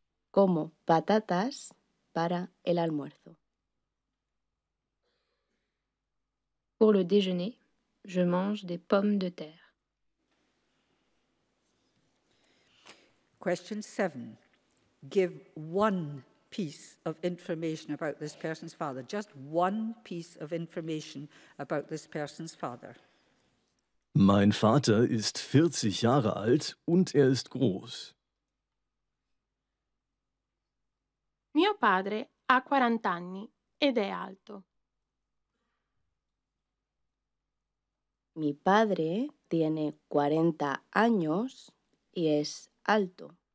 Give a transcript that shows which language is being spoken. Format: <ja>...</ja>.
<es>Como patatas para el almuerzo.</es> <fr>Pour le déjeuner, je mange des pommes de terre.</fr> <en>Question 7. Give one piece of information about this person's father. Just one piece of information about this person's father.</en> <de>Mein Vater ist 40 Jahre alt und er ist groß.</de> <it>Mio padre ha 40 anni ed è alto.</it> <es>Mi padre tiene 40 años y es alto.</es>